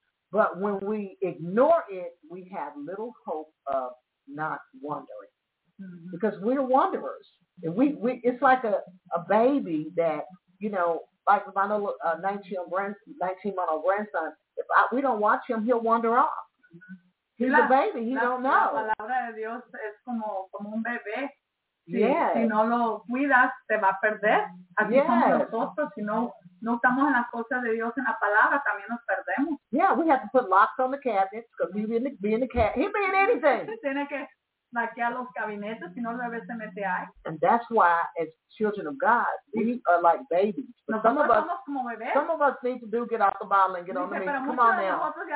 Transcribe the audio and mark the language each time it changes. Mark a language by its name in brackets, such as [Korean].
[English] But when we ignore it, we have little hope of not wandering. Because we're wanderers. And we it's like a baby that, you know, like my little 19-month-old grandson, if we don't watch him, he'll wander off. He's a baby. He don't know. [Spanish] La palabra de Dios es como un bebé. Si no lo cuidas, te va a perder. Así [English] yes. [Spanish] Como nosotros, si no estamos en las cosas de Dios, en la palabra, también nos perdemos. [English] Yeah, we have to put locks on the cabinets because he'll be in the cabinet. He'll be in anything. [Spanish] Tiene que... [English] And that's why, as children of God, we are like babies. Some of us need to do get off the bottle and get on the meat. Come on now.